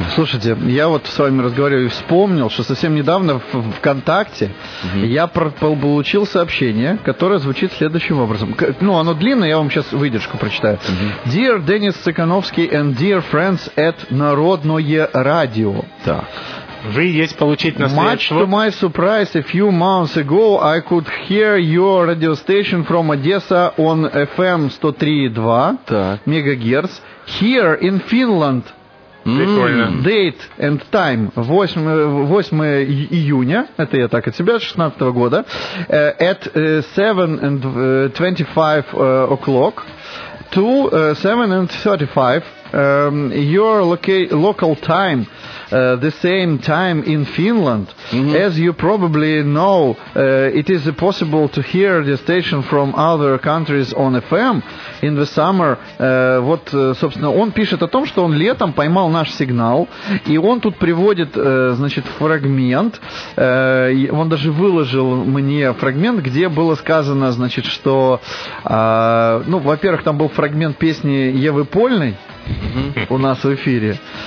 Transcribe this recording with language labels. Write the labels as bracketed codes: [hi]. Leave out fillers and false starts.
[ru] Слушайте, я вот с вами разговариваю и вспомнил, что совсем недавно в ВКонтакте я получил сообщение, которое звучит следующим образом. Ну, оно длинное, я вам сейчас выдержку прочитаю. [en] Dear Денис Цыкановский and dear friends at Народное радио. [ru] Так. Вы есть получить наследство. [en] Much to my surprise, a few months ago I could hear your radio station from Odessa on FM 103.2 MHz. Here in Finland. [ru] Прикольно. [en] Date and time. [ru] 8 июня, это я так от себя, 16 года, [en] at 7:25 o'clock to 7:35 your local time, the same time in Finland. As you probably know, it is possible to hear the station from other countries on FM in the summer. [ru] Вот, собственно, он пишет о том, что он летом поймал наш сигнал, и он тут приводит, значит, фрагмент. Он даже выложил мне фрагмент, где было сказано, значит, что, ну, во-первых, там был фрагмент песни Евы Польной. У нас в эфире.